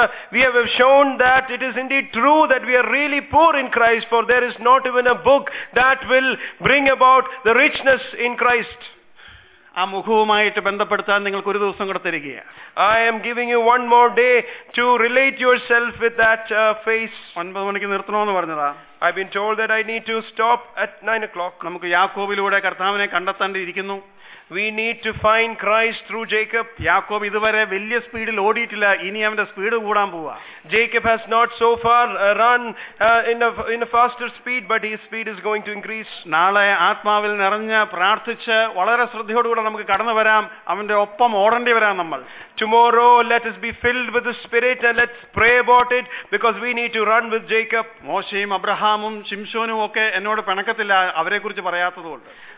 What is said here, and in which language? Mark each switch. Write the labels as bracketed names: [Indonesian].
[English] We have shown that it is indeed true that we are really poor in Christ, for there is not even a book that will bring about the richness in Christ. [Malayalam] ആ മുഖവുമായിട്ട് ബന്ധപ്പെടുത്താൻ നിങ്ങൾക്ക് ഒരു ദിവസം കൂടെ തരിക [English] I am giving you one more day to relate yourself with that face [Malayalam] 9 മണിക്ക് നിർത്തണമെന്ന് പറഞ്ഞതാ [English] I been told that I need to stop at 9 o'clock [Malayalam] നമുക്ക് യാക്കോബിലൂടെ കർത്താവിനെ കണ്ടെത്തേണ്ടിയിരിക്കുന്നു [English] We need to find Christ through Jacob. [Malayalam] Jacob ഇതുവരെ വലിയ സ്പീഡിൽ ഓടിയിട്ടില്ല ഇനി അവന്റെ speed കൂടാൻ പോവാ [English] Jacob has not so far run in a faster speed but his speed is going to increase. [Malayalam] നാളെ ആത്മാവിൽ നിറഞ്ഞ് പ്രാർത്ഥിച്ച് വളരെ ശ്രദ്ധയോടെ കൂടെ നമുക്ക് കടന്നു വരാം അവന്റെ ഒപ്പം ഓടേണ്ടി വരാം നമ്മൾ [English] Tomorrow let us be filled with the spirit and let's pray about it because we need to run with Jacob. [Malayalam] മോശയും അബ്രഹാമും ശിംശോനും ഒക്കെ എന്നോട് പിണക്കത്തില്ല അവരെക്കുറിച്ച് പറയാത്തതുകൊണ്ട്